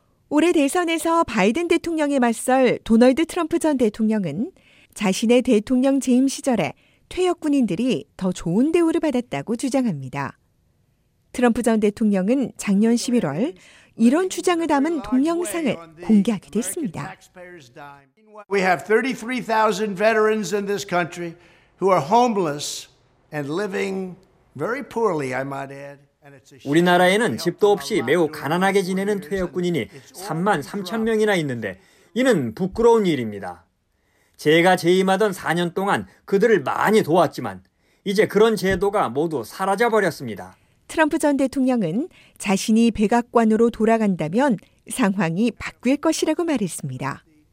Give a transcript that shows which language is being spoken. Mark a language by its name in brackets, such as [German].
[Korean] 올해 대선에서 바이든 대통령에 맞설 도널드 트럼프 전 대통령은 자신의 대통령 재임 시절에 퇴역군인들이 더 좋은 대우를 받았다고 주장합니다. 트럼프 전 대통령은 작년 11월 이런 주장을 담은 동영상을 공개하게 됐습니다. [English] We have 33,000 veterans in this country who are homeless and living very poorly, I might add. [Korean] 우리나라에는 집도 없이 매우 가난하게 지내는 퇴역군인이 3만 3천 명이나 있는데 이는 부끄러운 일입니다. 제가 재임하던 4년 동안 그들을 많이 도왔지만 이제 그런 제도가 모두 사라져버렸습니다. 트럼프 전 대통령은 자신이 백악관으로 돌아간다면 상황이 바뀔 것이라고 말했습니다.